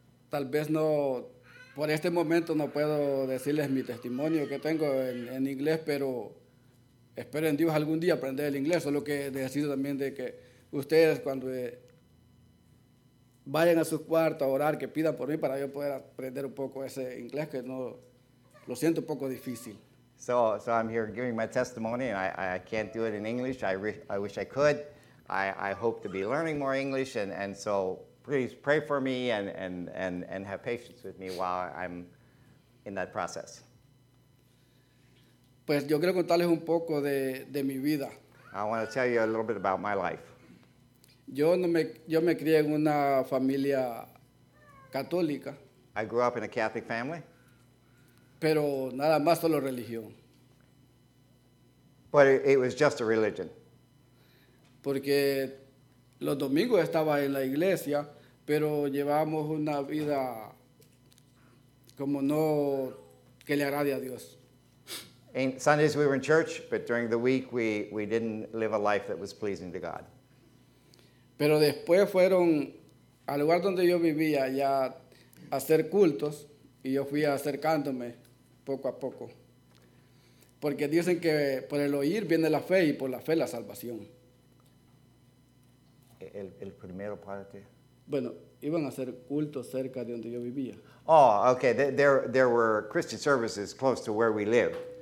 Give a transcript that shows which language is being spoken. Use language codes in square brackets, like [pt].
[es] Tal vez no por este momento no puedo decirles mi testimonio que tengo en inglés, pero espero en Dios algún día aprender el inglés, solo que decido también de que ustedes cuando vayan a su cuarto a orar, que pidan por mí para yo poder aprender un poco ese inglés que no lo siento un poco difícil. [en] So I'm here giving my testimony, and I can't do it in English. I wish I could. I hope to be learning more English, and so please pray for me and have patience with me while I'm in that process. [es] Pues yo quiero contarles un poco de mi vida. [en] I want to tell you a little bit about my life. [es] Yo me crié en una familia católica. [en] I grew up in a Catholic family. [es] Pero nada más solo religión. [en] But it was just a religion. [es] Porque los domingos estaba en la iglesia, pero llevamos una vida como no que le agrade a Dios. [en] In Sundays we were in church, but during the week we didn't live a life that was pleasing to God. [es] Pero después fueron al lugar donde yo vivía ya a hacer cultos y yo fui acercándome poco a poco. Porque dicen que por el oír viene la fe y por la fe la salvación. El primero parte. Bueno, iban a hacer cultos cerca de donde yo vivía. [en] Oh, okay. There were Christian services close to where we live.